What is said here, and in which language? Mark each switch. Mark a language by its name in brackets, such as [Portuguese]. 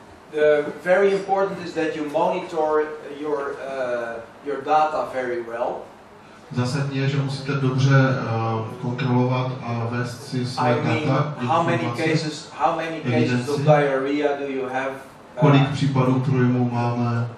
[English] The very important is that you monitor your data very well. [Czech] Zásadní je, že musíte dobře kontrolovat a vést si své data. [English] How many cases of diarrhea do you have? [Czech] Kolik případů trojmu máme?